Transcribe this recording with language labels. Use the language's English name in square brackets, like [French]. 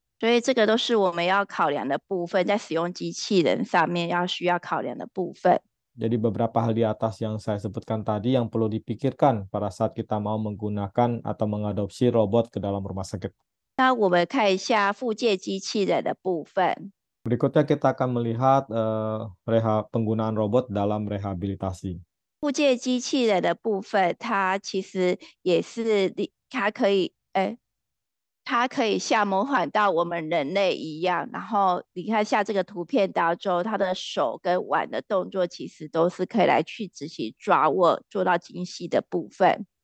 [Chinese] 所以这个都是我们要考量的部分，在使用机器人上面要需要考量的部分。 [Indonesian] Jadi beberapa hal di atas yang saya sebutkan tadi yang perlu dipikirkan pada saat kita mau menggunakan atau mengadopsi robot ke dalam rumah sakit. [Chinese] 那我们看一下复介机器人的部分。 [Indonesian] Berikutnya kita akan melihat penggunaan robot dalam rehabilitasi. [Chinese] 复介机器人的部分，它其实也是，它可以像模仿到我们人类一样，然后你看下这个图片当中，它的手跟腕的动作其实都是可以来去执行抓握，做到精细的部分。